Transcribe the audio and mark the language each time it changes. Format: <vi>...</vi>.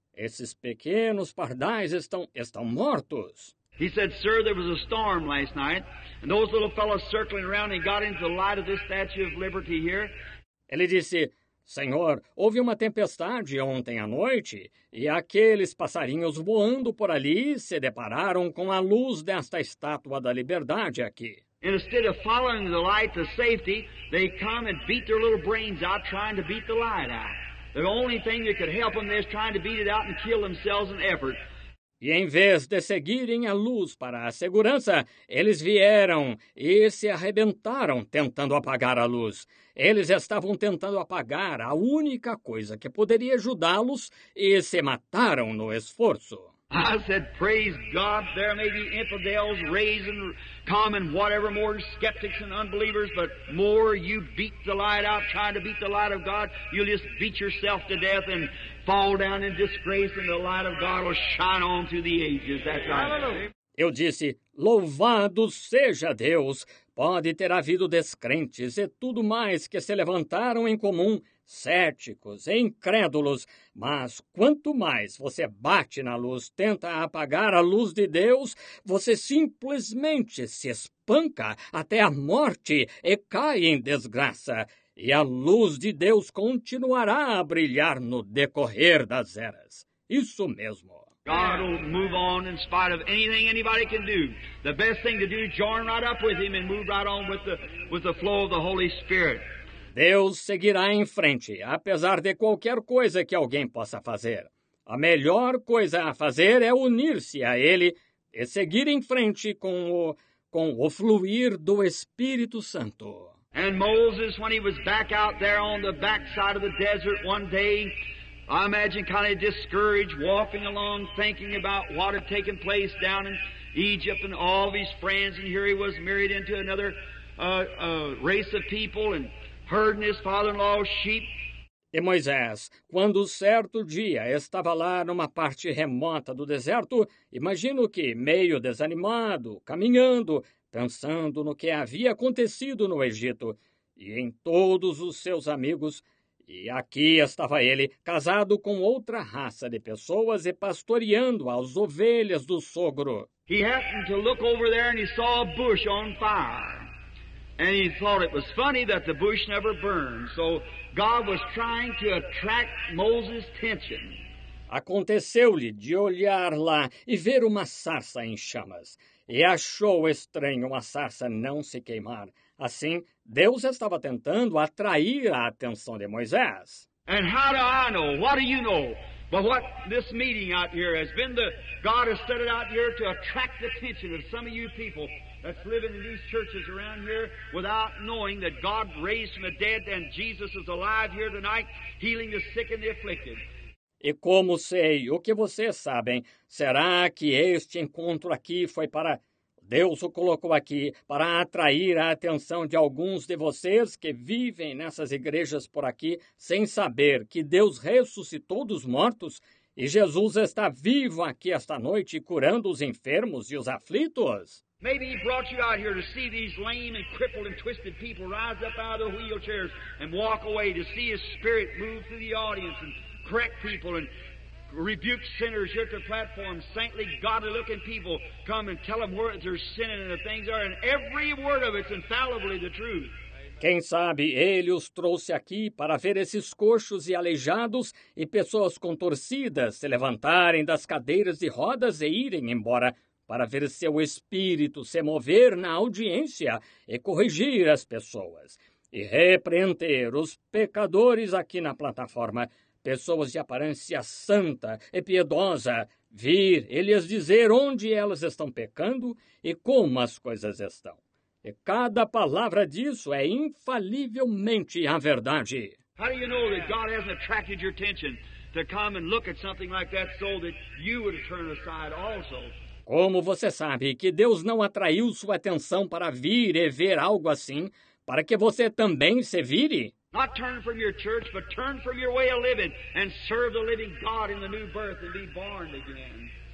<pt>Esses pequenos pardais estão mortos.</pt> <en>He said, sir, there was a storm last night, and those little fellows circling around and got into the light of this Statue of Liberty here.</en> <pt>Ele disse, Senhor, houve uma tempestade ontem à noite, e aqueles passarinhos voando por ali se depararam com a luz desta Estátua da Liberdade aqui.</pt> <en>Instead of following the light to safety, they come and beat their little brains out trying to beat the light out. The only thing that could help them is trying to beat it out and kill themselves in effort.</en> <pt>E em vez de seguirem a luz para a segurança, eles vieram e se arrebentaram tentando apagar a luz. Eles estavam tentando apagar a única coisa que poderia ajudá-los e se mataram no esforço.</pt> <en>I said, praise God, there may be infidels raising common whatever more skeptics and unbelievers, but more you beat the light out, trying to beat the light of God, you'll just beat yourself to death and fall down in disgrace, and the light of God will shine on through the ages. That's right.</en> <pt>Eu disse, louvado seja Deus, pode ter havido descrentes e tudo mais que se levantaram em comum, céticos e incrédulos, mas quanto mais você bate na luz, tenta apagar a luz de Deus, você simplesmente se espanca até a morte e cai em desgraça, e a luz de Deus continuará a brilhar no decorrer das eras. Isso mesmo.</pt> <en>God will move on in spite of anything anybody can do. The best thing to do is join right up with him and move right on with the flow of the Holy Spirit.</en> <pt>Deus seguirá em frente, apesar de qualquer coisa que alguém possa fazer. A melhor coisa a fazer é unir-se a Ele e seguir em frente com o fluir do Espírito Santo.</pt> <en>And Moses, when he was back out there on the backside of the desert one day, I imagine kind of discouraged, walking along, thinking about what had taken place down in Egypt and all of his friends, and here he was married into another race of people and herding his father-in-law's sheep.</en> <pt>E Moisés, quando certo dia estava lá numa parte remota do deserto, imagino que, meio desanimado, caminhando, pensando no que havia acontecido no Egito e em todos os seus amigos. E aqui estava ele, casado com outra raça de pessoas e pastoreando as ovelhas do sogro.</pt> <en>He happened to look over there and he saw a bush on fire. And he thought it was funny that the bush never burned. So God was trying to attract Moses' attention.</en> <pt>Aconteceu-lhe de olhar lá e ver uma sarça em chamas. E achou estranho uma sarça não se queimar. Assim, Deus estava tentando atrair a atenção de Moisés.</pt> <en>And how do I know? What do you know? But what this meeting out here has been, the God has set it out here to attract the attention of some of you people that's living in these churches around here without knowing that God raised from the dead and Jesus is alive here tonight, healing the sick and the afflicted.</en> <pt>E como sei o que vocês sabem, será que este encontro aqui foi para... Deus o colocou aqui para atrair a atenção de alguns de vocês que vivem nessas igrejas por aqui sem saber que Deus ressuscitou dos mortos e Jesus está vivo aqui esta noite curando os enfermos e os aflitos?</pt> <en>Maybe he brought you out here to see these lame and crippled and twisted people rise up out of their wheelchairs and walk away, to see his spirit move through the audience and correct people and rebuke sinners here at the platform, saintly, godly-looking people come and tell them where they're sinning and the things are, and every word of it's infallibly the truth.</en> <pt>Quem sabe ele os trouxe aqui para ver esses coxos e aleijados e pessoas contorcidas se levantarem das cadeiras de rodas e irem embora, para ver seu espírito se mover na audiência e corrigir as pessoas e repreender os pecadores aqui na plataforma. Pessoas de aparência santa e piedosa, vir e lhes dizer onde elas estão pecando e como as coisas estão. E cada palavra disso é infalivelmente a verdade.</pt> <en>How do you know that God hasn't attracted your attention to come and look at something like that so that you would turn aside also?</en> <pt>Como você sabe que Deus não atraiu sua atenção para vir e ver algo assim, para que você também se vire?</pt> <en>Not turn from your church, but turn from your way of living and serve the living God in the new birth and be born again.</en>